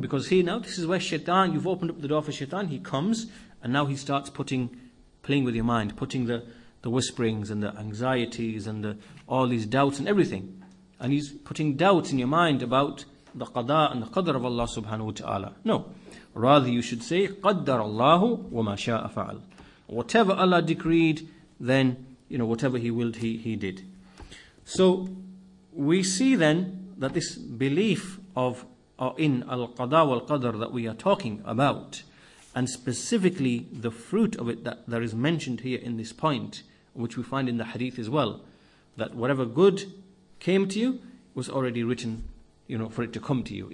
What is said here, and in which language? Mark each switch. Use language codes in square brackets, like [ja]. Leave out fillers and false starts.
[en] Because here now, this is where shaitan, you've opened up the door for shaitan, he comes, and now he starts playing with your mind, putting the whisperings and the anxieties and all these doubts and everything. And he's putting doubts in your mind about the qada and the qadr of Allah subhanahu wa ta'ala. No. Rather you should say, [ar] قَدَّرَ اللَّهُ وَمَا شَاءَ فَعَلْ. [en] Whatever Allah decreed, then, you know, whatever He willed, He did. So, we see then that this belief of in al-qada wal-qadr that we are talking about, and specifically the fruit of it that there is mentioned here in this point, which we find in the hadith as well, that whatever good came to you was already written, you know, for it to come to you.